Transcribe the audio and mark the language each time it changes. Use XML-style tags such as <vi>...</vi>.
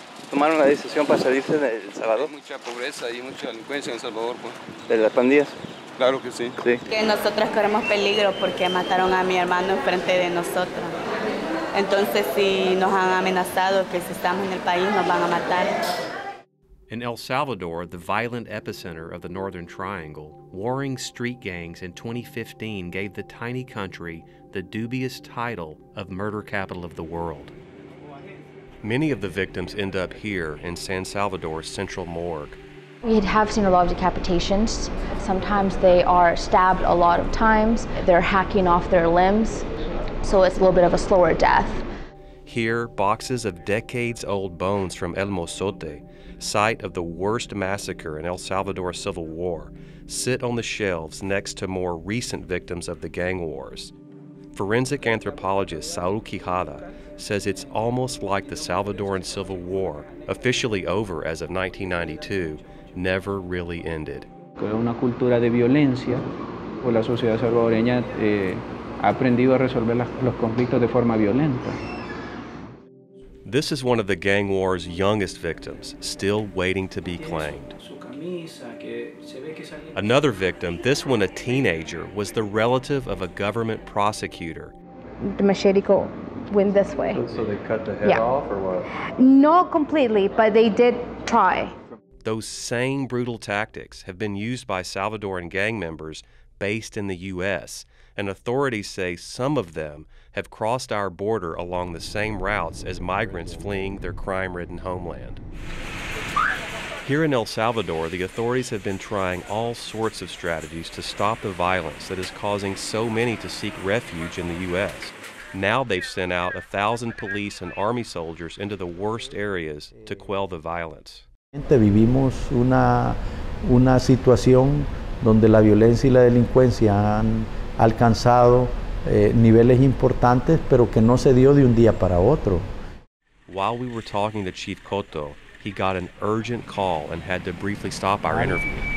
<es>¿Tomaron la decisión para salirse de El Salvador? Hay mucha pobreza y mucha delincuencia en El Salvador, pues. ¿De las pandillas? Claro que sí. Sí. Que nosotros corremos peligro porque mataron a mi hermano enfrente de nosotros. Entonces, si nos han amenazado que si estamos en el país nos van a matar.</es> <en>In El Salvador, the violent epicenter of the Northern Triangle, warring street gangs in 2015 gave the tiny country the dubious title of murder capital of the world. Many of the victims end up here in San Salvador's central morgue. We have seen a lot of decapitations. Sometimes they are stabbed a lot of times. They're hacking off their limbs, so it's a little bit of a slower death. Here, boxes of decades-old bones from El Mozote, site of the worst massacre in El Salvador's civil war, sit on the shelves next to more recent victims of the gang wars. Forensic anthropologist Saul Quijada says it's almost like the Salvadoran Civil War, officially over as of 1992, never really ended.</en> <es>Es una cultura de violencia, pues la sociedad salvadoreña ha aprendido a resolver los conflictos de forma violenta.</es> <en>This is one of the gang war's youngest victims, still waiting to be claimed. Another victim, this one a teenager, was the relative of a government prosecutor. The machete went this way. So they cut the head off or what? Not completely, but they did try. Those same brutal tactics have been used by Salvadoran gang members based in the U.S., and authorities say some of them have crossed our border along the same routes as migrants fleeing their crime-ridden homeland. Here in El Salvador, the authorities have been trying all sorts of strategies to stop the violence that is causing so many to seek refuge in the U.S. Now they've sent out 1,000 police and army soldiers into the worst areas to quell the violence.</en> <es>Vivimos una situación donde la violencia y la delincuencia han alcanzado niveles importantes, pero que no se dio de un día para otro.</es> <en>While we were talking to Chief Cotto, he got an urgent call and had to briefly stop our interview.</en>